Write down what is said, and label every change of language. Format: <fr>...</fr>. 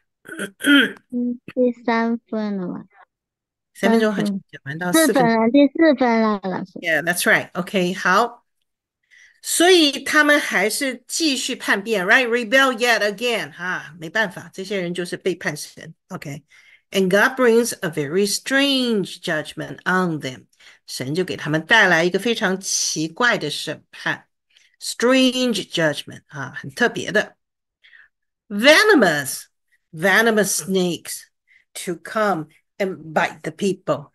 <zh>第3分了吧？三分钟好像分，讲完到四四分分。了，第四分了，老师。</zh> <en>Yeah, that's right.</en> <zh>OK，好。所以他们还是继续叛变，right?</zh> <en>Rebel yet again.</en> <zh>哈，没办法，这些人就是背叛神。</zh> <en>OK，and God brings a very strange judgment on them.</en> <zh>神就给他们带来一个非常奇怪的审判。</zh> <en>Strange judgment</en> <zh>啊，很特别的。</zh> <en>Venomous snakes to come and bite the people。</en>